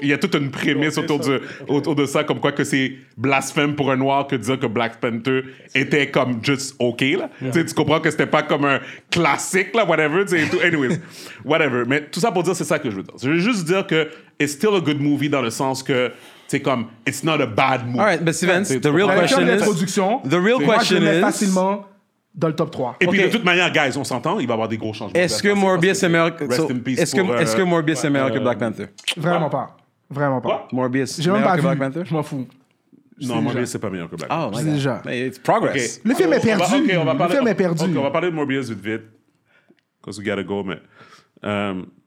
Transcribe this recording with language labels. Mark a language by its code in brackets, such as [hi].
[fr] Il y a toute une prémisse okay, autour de ça, comme quoi que c'est blasphème pour un noir que de dire que Black Panther était comme juste OK, là. [en] Yeah. [fr] Tu comprends que c'était pas comme un classique, là, whatever. Anyways, whatever. Mais tout ça pour dire, c'est ça que je veux dire. Je veux juste dire que [en] it's still a good movie [fr] dans le sens que, tu sais, comme, [en] it's not a bad movie. All right, but Steven, the real question is... [fr] Moi, je l'ai facilement... dans le top 3. Et puis, okay. De toute manière, guys, on s'entend, il va y avoir des gros changements. Est-ce que Morbius est meilleur que... Est-ce que Morbius est meilleur que Black Panther? Vraiment pas. Quoi? Morbius est meilleur que Black Panther? Je m'en fous. Non, Morbius, c'est pas meilleur que Black Panther. Oh, my God. Déjà. [en] It's progress. Okay. [fr] Le film est perdu. OK, on va parler de Morbius vite. [en] Because we gotta go, [fr] mais...